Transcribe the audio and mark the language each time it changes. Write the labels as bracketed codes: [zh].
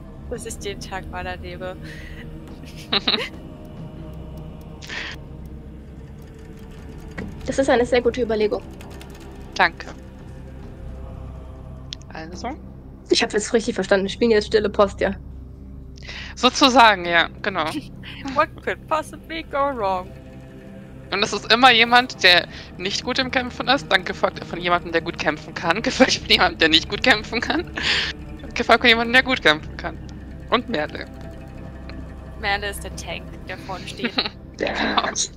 [de] Das ist den Tag meiner Liebe. Das ist eine sehr gute Überlegung. Danke. Also? Ich habe es richtig verstanden. Spielen jetzt stille Post, ja? Sozusagen, ja. Genau. [en] What could possibly go wrong? [de] Und es ist immer jemand, der nicht gut im Kämpfen ist, dann gefolgt von jemandem, der gut kämpfen kann, gefolgt von jemandem, der nicht gut kämpfen kann, gefolgt von jemandem, der gut kämpfen kann. Und Merle. Merle ist der Tank, der vorne steht. Ja.